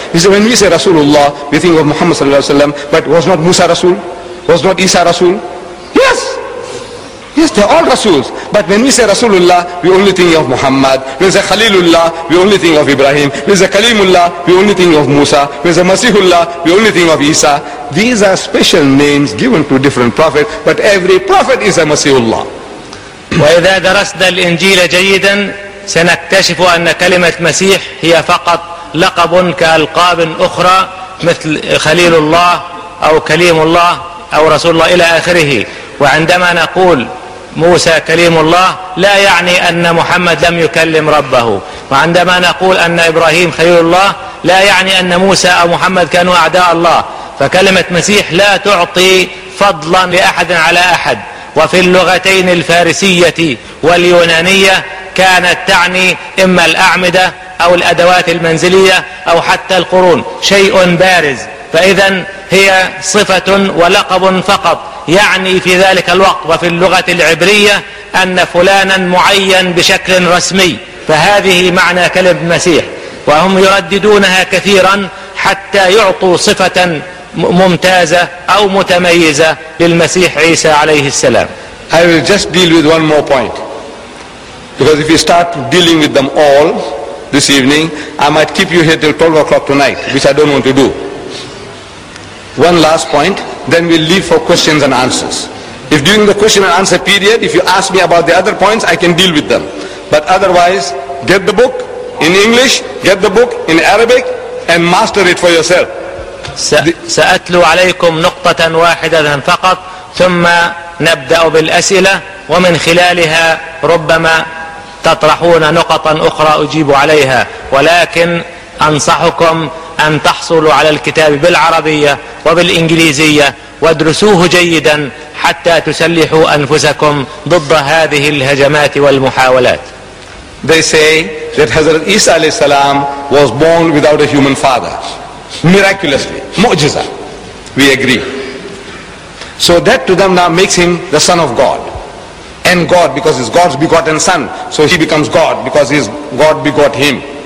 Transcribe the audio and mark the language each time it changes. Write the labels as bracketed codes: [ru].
[en] We say, when we say Rasulullah, we think of Muhammad sallallahu alaihi wasallam. But was not Musa Rasul? Was not Isa Rasul? Yes. Yes, they are all Rasuls. But when we say Rasulullah, we only think of Muhammad. When we say Khalilullah, we only think of Ibrahim. When we say Kalimullah, we only think of Musa. When we say Masihullah, we only think of Isa. These are special names given to different prophets, but every prophet is a Masihullah. [ar] وَإِذَا دَرَسْنَا الْإِنْجِيلَ جَيِّدًا سَنَكْتَشِفُ أَنَّ كَلِمَةَ مَسِيح هِيَ فَقَطْ لَقَبٌ كَأَلْقَابٍ أُخْرَى مثل خليل الله أو كليم الله أو رسول الله إلى آخره. وعندما نقول موسى كليم الله لا يعني أن محمد لم يكلم ربه. وعندما نقول أن إبراهيم خليل الله لا يعني أن موسى أو محمد كانوا أعداء الله. فكلمة مسيح لا تعطي فضلا لأحد على أحد. وفي اللغتين الفارسية واليونانية كانت تعني إما الأعمدة أو الأدوات المنزلية أو حتى القرون، شيء بارز. فإذا هي صفة ولقب فقط، يعني في ذلك الوقت وفي اللغة العبرية أن فلانا معين بشكل رسمي. فهذه معنى كلمة مسيح، وهم يرددونها كثيرا حتى يعطوا صفة ممتازة أو متميزة للمسيح عيسى عليه السلام. [en] I will just deal with one more point, because if you start dealing with them all this evening, I might keep you here till 12 o'clock tonight, which I don't want to do. One last point, then we'll leave for questions and answers. If during the question and answer period, if you ask me about the other points, I can deal with them. But otherwise, get the book in English, get the book in Arabic, and master it for yourself. [ar] سأتلو عليكم نقطة واحدة فقط ثم نبدأ بالأسئلة، ومن خلالها ربما تطرحون نقطا أخرى أجيب عليها، ولكن أنصحكم أن تحصلوا على الكتاب بالعربية وبالإنجليزية وادرسوه جيدا حتى تسلحوا أنفسكم ضد هذه الهجمات والمحاولات. [en] They say that Hazrat Isa alayhi salam was born without a human father miraculously, mu'jiza. We agree. So that to them now makes him the son of God and God, because he's God's begotten son. So he becomes God because he's God begot him.